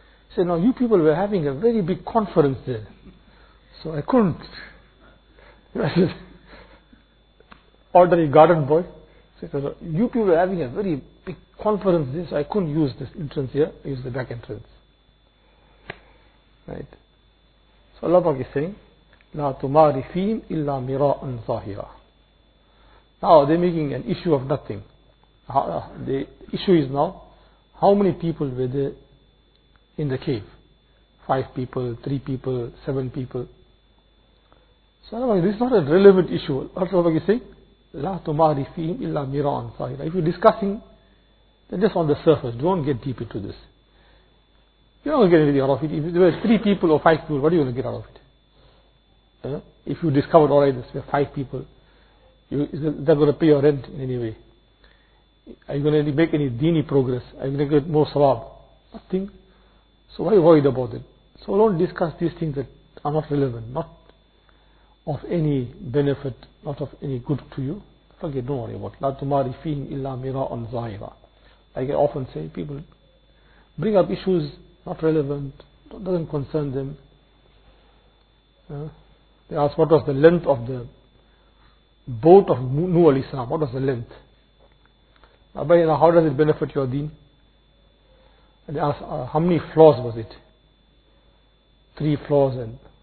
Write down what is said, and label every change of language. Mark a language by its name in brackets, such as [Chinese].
[English] He said, now you people were having a very big conference there. So I couldn't. I said, ordinary garden boy. Said, you people are having a very big conference there, so I couldn't use this entrance here, I used the back entrance. Right. So Allah Pak is saying, [Arabic] لَا تُمَارِ فِيهِمْ إِلَّا مِرَاءً ظَاهِرًا. [English] Now they're making an issue of nothing. The issue is now, how many people were there in the cave? 5 people, 3 people, 7 people. So this is not a relevant issue. What Allah Pak is saying? [Arabic] لَا تُمَارِ فِيهِمْ إِلَّا مِرَاءً ظَاهِرًا. [English] If you're discussing, then just on the surface, don't get deep into this. You're not going to get anything out of it. If there were 3 people or 5 people, what are you going to get out of it? If you discovered, all right, there are 5 people, is that going to pay your rent in any way? Are you going to make any dini progress? Are you going to get more sawab? Nothing. So why worry about it? So don't discuss these things that are not relevant, not of any benefit, not of any good to you. Forget, don't worry about it. [Arabic] لَا تُمَارِ فِيهِمْ إِلَّا مِرَاءً ظَاهِرًا. [English] Like I often say, people bring up issues not relevant, doesn't concern them. They ask, what was the length of the boat of Nuh alayhi salam? What was the length? Now, how does it benefit your deen? And they ask, how many floors was it? 3 floors and...